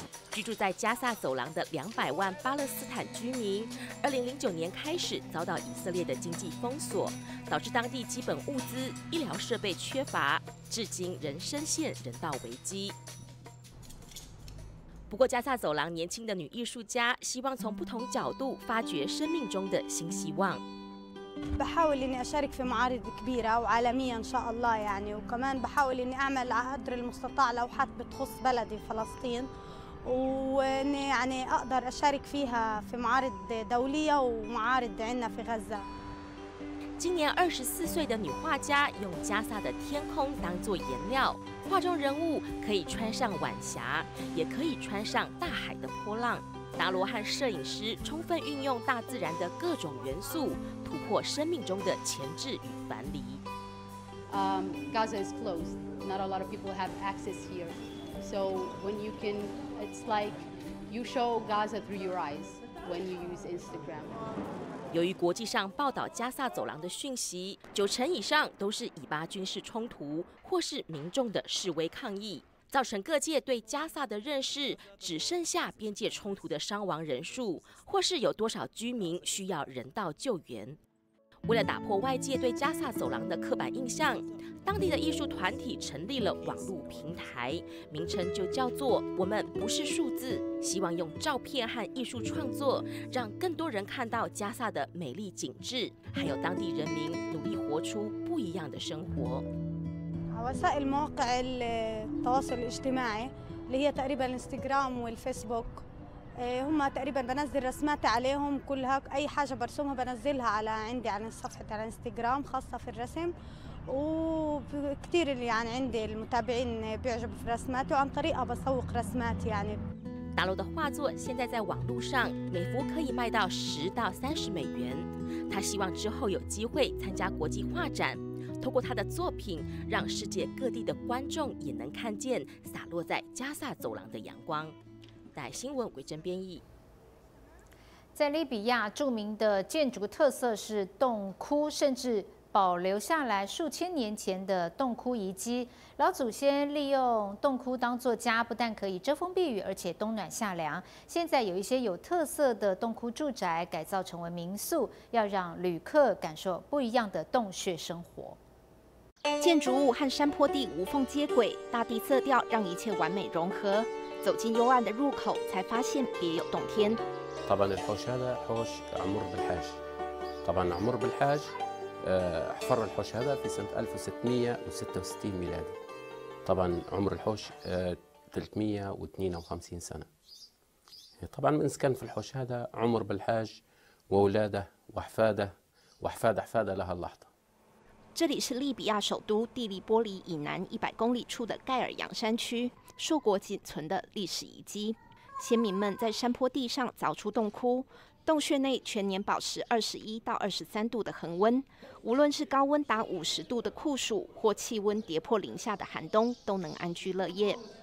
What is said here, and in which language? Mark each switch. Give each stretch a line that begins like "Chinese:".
Chinese: 居住在加萨走廊的200万巴勒斯坦居民，2009年开始遭到以色列的经济封锁，导致当地基本物资、医疗设备缺乏，至今仍深陷人道危机。不过，加萨走廊年轻的女艺术家希望从不同角度发掘生命中的新希望。
Arabic: بحاول إني أشارك في معارض كبيرة وعالمية إن شاء الله يعني، وكمان بحاول إني أعمل قدر المستطاع لوحات بتخص بلدي فلسطين. واني يعني اقدر اشارك فيها في معارض دوليه ومعارض عنا في غزه.
Chinese: 今年24岁的女画家用加萨的天空当作颜料，画中人物可以穿上晚霞，也可以穿上大海的波浪。达罗和摄影师充分运用大自然的各种元素，突破生命中的前置与樊篱。
English: Gaza is closed. Not a lot of people have access here. So when you can.It's like you show Gaza through your eyes. when you use Instagram.
Chinese: 由于国际上报道加萨走廊的讯息，九成以上都是以巴军事冲突或是民众的示威抗议，造成各界对加萨的认识只剩下边界冲突的伤亡人数，或是有多少居民需要人道救援。为了打破外界对加萨走廊的刻板印象，当地的艺术团体成立了网络平台，名称就叫做我们不是数字，希望用照片和艺术创作让更多人看到加萨的美丽景致，还有当地人民努力活出不一样的生活。
Arabic: وسائل مواقع التواصل الاجتماعي اللي هي تقريبا الانستغرام والفيسبوك هم تقريبا بنزل رسماتي عليهم كلها اي حاجه برسمها بنزلها على عندي على صفحه على الانستغرام خاصه في الرسم وكثير يعني عندي المتابعين بيعجبوا في رسماتي وعن طريقها بسوق رسماتي يعني
Chinese: 大楼的画作现在在网路上每幅可以卖到$10-$30，他希望之后有机会参加国际画展，透过他的作品让世界各地的观众也能看见洒落在加萨走廊的阳光。带新闻为真编译。在利比亚，著名的建筑特色是洞窟，甚至保留下来数千年前的洞窟遗迹，老祖先利用洞窟当作家，不但可以遮风避雨，而且冬暖夏凉。现在有一些有特色的洞窟住宅改造成为民宿，要让旅客感受不一样的洞穴生活。建筑物和山坡地无缝接轨，大地色调让一切完美融合。走进幽暗的入口，才发现别有洞天。
Arabic: حفر الحوش هذا في سنة 1666 ميلادي طبعا عمر الحوش 352 سنة طبعا من سكن في الحوش هذا عمر بالحاج وأولاده وأحفاده وأحفاد أحفاده لها اللحظة
Chinese: 这里是利比亚首都第利波里以南100公里处的盖尔扬山区，硕果仅存的历史遗迹。先民们在山坡地上凿出洞窟，洞穴内全年保持21-23度的恒温，无论是高温达50度的酷暑，或气温跌破零下的寒冬，都能安居乐业。